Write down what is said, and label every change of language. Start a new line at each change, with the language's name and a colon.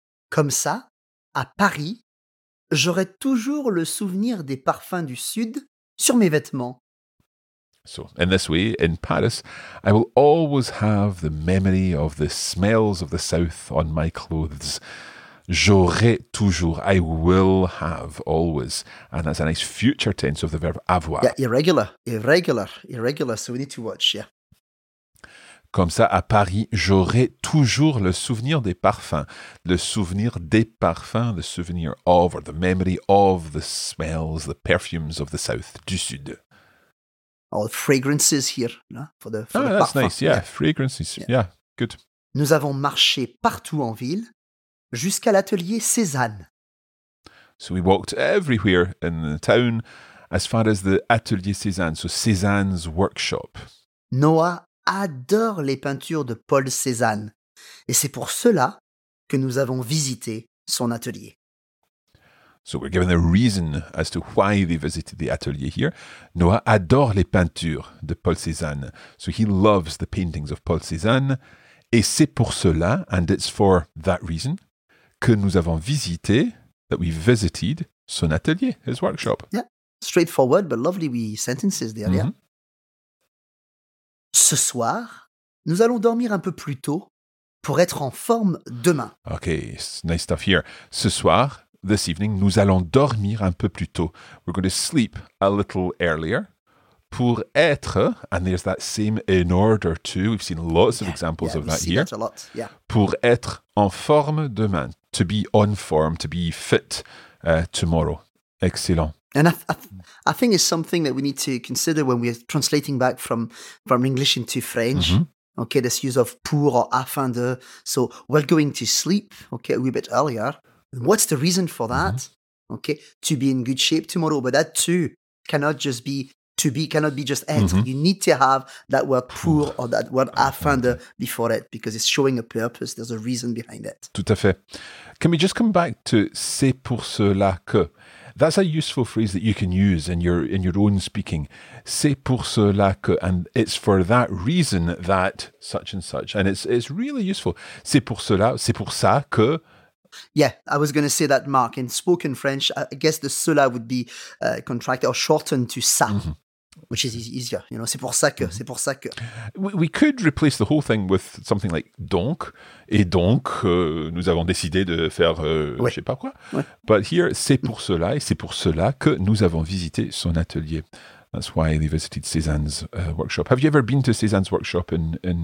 French: Comme ça, à Paris, j'aurai toujours le souvenir des parfums du Sud sur mes vêtements.
English: So, in this way, in Paris, I will always have the memory of the smells of the South on my clothes.
French: J'aurai toujours,
English: I will have, always. And that's a nice future tense of the verb avoir. Yeah, irregular, so we need to watch, yeah.
French: Comme ça, à Paris, j'aurai toujours le souvenir des parfums. Le souvenir des parfums,
English: the souvenir of, or the memory of the smells, the perfumes of the South,
French: du Sud.
English: All fragrances here, no? for the parfums. That's nice, yeah. Fragrances, yeah, good.
French: Nous avons marché partout en ville, jusqu'à l'atelier Cézanne.
English: So we walked everywhere in the town, as far as the Atelier Cézanne, so Cézanne's workshop.
French: Noah adore les peintures de Paul Cézanne. Et c'est pour cela que nous avons visité son atelier.
English: So we're given a reason as to why they visited the atelier here.
French: Noah adore les peintures de Paul Cézanne.
English: So he loves the paintings of Paul Cézanne.
French: Et c'est pour cela,
English: and it's for that reason,
French: que nous avons visité,
English: that we visited
French: son atelier,
English: his workshop. Yeah, straightforward, but lovely wee sentences there, mm-hmm. Yeah.
French: Ce soir, nous allons dormir un peu plus tôt pour être en forme demain.
English: Okay, nice stuff here.
French: Ce soir,
English: this evening,
French: nous allons dormir un peu plus tôt.
English: We're going to sleep a little earlier.
French: Pour être,
English: and there's that same in order to, we've seen lots of examples yeah, of that here. That a lot. Yeah.
French: Pour être en forme demain,
English: to be on form, to be fit tomorrow. Excellent. And I think it's something that we need to consider when we're translating back from English into French. Mm-hmm. Okay, this use of pour or afin de. So we're going to sleep, okay, a wee bit earlier. What's the reason for that? Mm-hmm. Okay, to be in good shape tomorrow. But that too cannot just be. To be cannot be just être. Mm-hmm. You need to have that word pour or that word afin de before it because it's showing a purpose. There's a reason behind it.
French: Tout à fait.
English: Can we just come back to
French: c'est pour cela que?
English: That's a useful phrase that you can use in your own speaking.
French: C'est pour cela que,
English: and it's for that reason that such and such, and it's really useful.
French: C'est pour cela, c'est pour ça que.
English: Yeah, I was going to say that, Mark. In spoken French, I guess the cela would be contracted or shortened to ça, mm-hmm. which is easier. You know,
French: c'est pour ça que, mm-hmm. c'est pour ça que.
English: We could replace the whole thing with something like
French: donc, et donc, nous avons décidé de faire oui. je sais pas quoi. Oui.
English: But here,
French: c'est pour mm-hmm. cela, et c'est pour cela que nous avons visité son atelier.
English: That's why they visited Cézanne's workshop. Have you ever been to Cézanne's workshop in